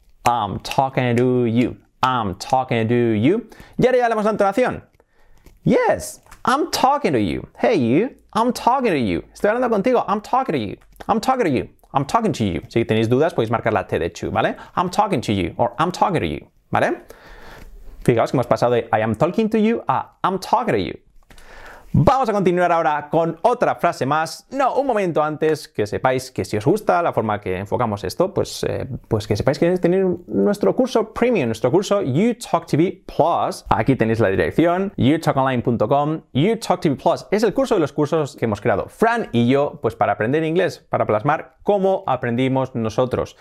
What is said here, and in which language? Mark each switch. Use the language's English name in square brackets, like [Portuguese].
[English] I'm talking to you. I'm talking to you. [Spanish] Y ahora ya le damos la entonación. [English] Yes, I'm talking to you. Hey, you. I'm talking to you. [Spanish] Estoy hablando contigo. [English] I'm talking to you. I'm talking to you. I'm talking to you. [Spanish] Si tenéis dudas, podéis marcar la T de to, ¿vale? [English] I'm talking to you. Or I'm talking to you. ¿Vale? [Spanish] Fijaos que hemos pasado de [English] I am talking to you a I'm talking to you. [Spanish] Vamos a continuar ahora con otra frase más. No, un momento antes, que sepáis que si os gusta la forma que enfocamos esto, pues que sepáis que tenéis que tener nuestro curso premium, nuestro curso YouTalkTV Plus. Aquí tenéis la dirección, youtalkonline.com. YouTalkTV Plus es el curso de los cursos que hemos creado Fran y yo, pues para aprender inglés, para plasmar cómo aprendimos nosotros.